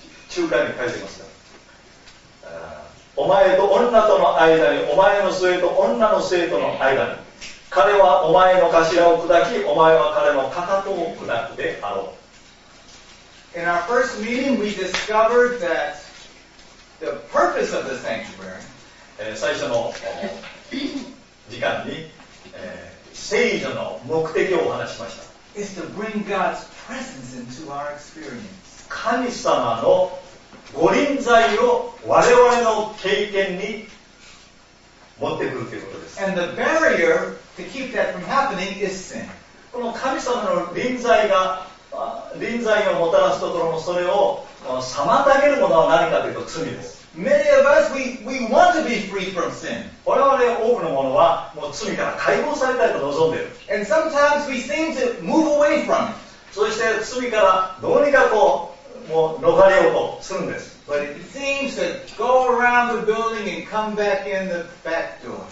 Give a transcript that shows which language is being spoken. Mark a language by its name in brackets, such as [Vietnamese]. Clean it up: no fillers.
[Japanese] 中間に書いてますが、お前と女との間に、お前の末と女の末との間に、彼はお前の頭を砕き、お前は彼のかかとを砕くであろう。 [English] In our first meeting, we discovered that the purpose of the sanctuary, [Japanese] 最初の時間に、聖所の目的をお話しました。 [English] Is to bring God's presence into our experience. [Japanese] 神様の御臨在を我々の経験に持ってくるということです。 [English] And the barrier to keep that from happening is sin. [Japanese] この神様の臨在が、臨在をもたらすところの、それを妨げるものは何かというと罪です。 [English] Many of us, we want to be free from sin. [Japanese] 我々多くの者はもう罪から解放されたいと望んでいる。 [English] And sometimes we seem to move away from it. [Japanese] そして罪からどうにかこう、もう逃れようとするんです。 [English] But it seems to go around the building and come back in the back door.